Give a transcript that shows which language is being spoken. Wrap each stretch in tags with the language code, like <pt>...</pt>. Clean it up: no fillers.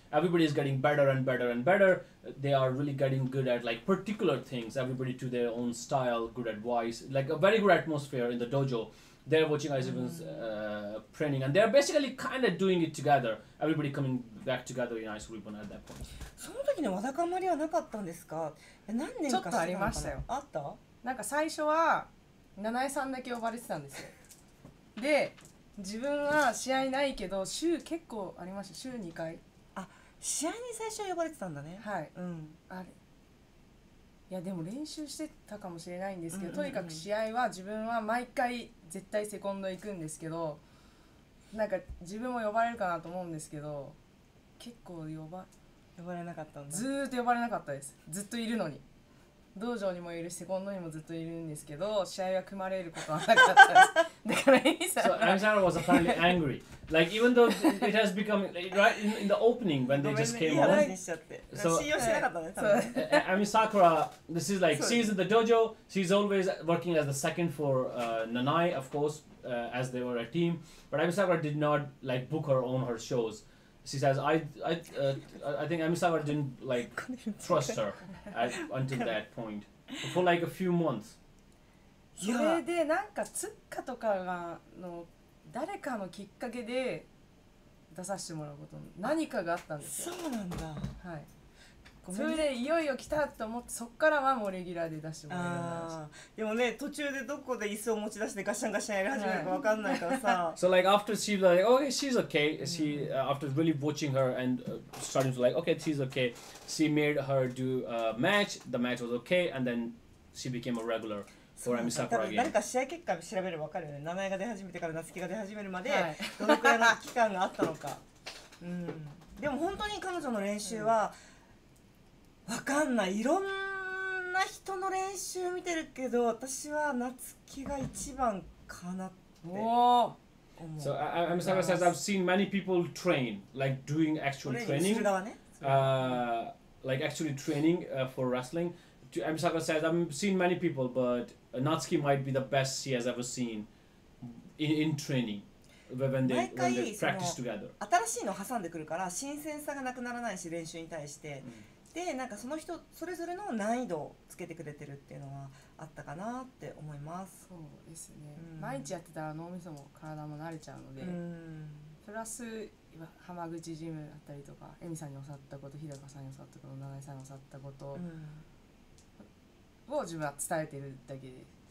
<en>Everybody is getting better and better and better. They are really getting good at like particular things. Everybody to their own style, good advice, like a very good atmosphere in the dojo. They're watching Ice Ribbon's training, and they're basically kind of doing it together. Everybody coming back together in Ice Ribbon at that point.</en> <ja>その時にわだかまりはなかったんですか？何年かしてたのかな？ちょっとありましたよ。あった？なんか最初は七重さんだけ呼ばれてたんですよ。で、自分は試合ないけど週結構ありました。週2回。あ、試合に最初呼ばれてたんだね。はい。うん。あれ。いやでも練習してたかもしれないんですけど、とにかく試合は自分は毎回絶対セコンド行くんですけど、なんか自分も呼ばれるかなと思うんですけど、結構呼ばれなかったんだ。ずっと呼ばれなかったです。ずっといるのに、道場にもいるセコンドにもずっといるんですけど、試合は組まれることはなかったです。だからいいさ。</ja> <en>So Amisara was apparently angry. Like even though it has become like, right in the opening when they just came on.</en> <ja>ごめんね、嫌いにしちゃって。</ja> <en>So,</en> <ja>信用しなかったね、多分。</ja> <en>Amisakura, this is like, she's in the dojo. She's always working as the second for Nanai, of course, as they were a team. But Amisakura did not like book her on her shows. She says, I think Ami Sakura didn't like trust her until that point for like a few months.</en> <ja>それでなんかツッカとかがの誰かのきっかけで出させてもらうこと、何かがあったんですよ。そうなんだ。はい。それでいよいよ来たと思って、そっからはもうレギュラーで出してもらいました。でもね、途中でどこで椅子を持ち出してガシャンガシャンやり始めるか分かんないからさ。</ja> <en>So like after she's like, okay, she's okay. She, after really watching her and starting to like, okay, she's okay. She made her do a match. The match was okay. And then she became a regular for Ami Sakura again.</en> <ja>誰か試合結果調べれば分かるよね。名前が出始めてから夏希が出始めるまで、どのくらいの期間があったのか。でも本当に彼女の練習は、わかんない。いろんな人の練習見てるけど、私は夏希が一番かなって思う。</ja> <en>So Ami Sakura says I've seen many people train, like doing actual training.</en> <ja>トレーニングする側ね。</ja> <en>Like actually training for wrestling. Ami Sakura says I've seen many people, but Natsuki might be the best she has ever seen in training.</en> <ja>新しいの挟んでくるから新鮮さがなくならないし、練習に対して、でなんかその人それぞれの難易度をつけてくれてるっていうのはあったかなって思います。そうですね、毎日やってたら脳みそも体も慣れちゃうので、プラス浜口ジムだったりとか、恵美さんに教わったこと、日高さんに教わったこと、七井さんに教わったことを自分は伝えてるだけで。</ja>